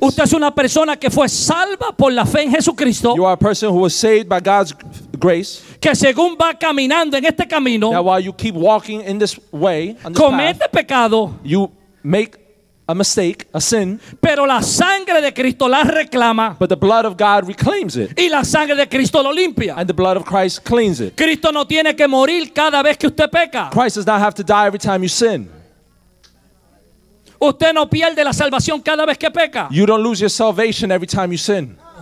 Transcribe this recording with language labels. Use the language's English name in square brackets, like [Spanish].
[Spanish] Usted es una persona que fue salva por la fe en Jesucristo. [English] You are a person who was saved by God's grace. [Spanish] Que según va caminando en este camino, [English] now while you keep walking in this way, on this [Spanish] comete [English] path, [Spanish] pecado, [English] you make a mistake, a sin. [Spanish] Pero la sangre de Cristo la reclama. [English] But the blood of God reclaims it. [Spanish] Y la sangre de Cristo lo limpia. [English] And the blood of Christ cleans it. [Spanish] Cristo no tiene que morir cada vez que usted peca. [English] Christ does not have to die every time you sin. [Spanish] Usted no pierde la salvación cada vez que peca. [English] You don't lose your salvation every time you sin.